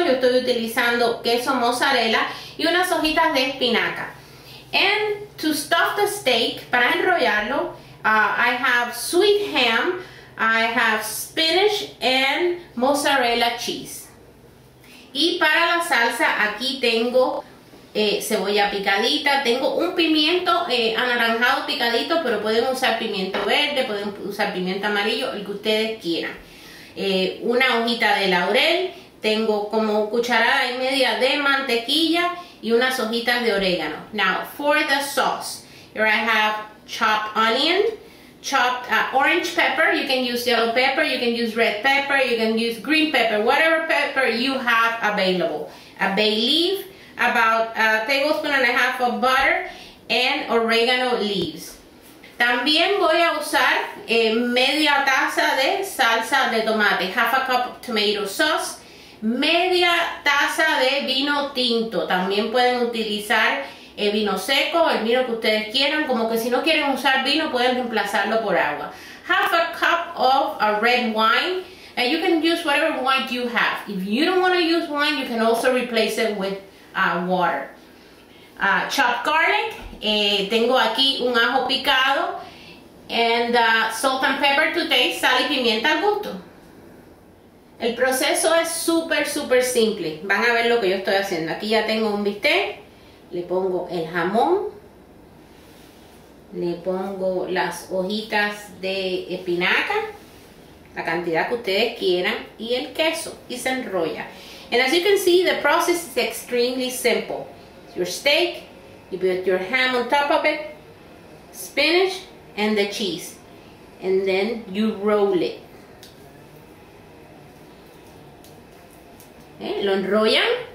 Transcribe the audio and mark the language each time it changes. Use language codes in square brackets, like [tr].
[es] Yo estoy utilizando queso mozzarella y unas hojitas de espinaca. [en] And to stuff the steak, [es] para enrollarlo, [en] I have sweet ham. I have spinach and mozzarella cheese. [es] Y para la salsa, aquí tengo cebolla picadita, tengo un pimiento anaranjado picadito, pero pueden usar pimiento verde, pueden usar pimiento amarillo, el que ustedes quieran. Una hojita de laurel, tengo como cucharada y media de mantequilla y unas hojitas de orégano. [en] Now, for the sauce, here I have chopped onion, chopped orange pepper. You can use yellow pepper, you can use red pepper, you can use green pepper, whatever pepper you have available. A bay leaf, about a tablespoon and a half of butter, and oregano leaves. [es] También voy a usar media taza de salsa de tomate, [en] half a cup of tomato sauce, [es] media taza de vino tinto. También pueden utilizar el vino seco, el vino que ustedes quieran, como que si no quieren usar vino, pueden reemplazarlo por agua. [en] Half a cup of a red wine, and you can use whatever wine you have. If you don't want to use wine, you can also replace it with water. Chopped garlic, [es] tengo aquí un ajo picado, [en] and salt and pepper to taste, [es] sal y pimienta al gusto. El proceso es súper, súper simple. Van a ver lo que yo estoy haciendo. Aquí ya tengo un bistec. Le pongo el jamón, le pongo las hojitas de espinaca, la cantidad que ustedes quieran, y el queso, y se enrolla. [en] And as you can see, the process is extremely simple. Your steak, you put your ham on top of it, spinach, and the cheese. And then you roll it. [es] ¿Eh? Lo enrollan.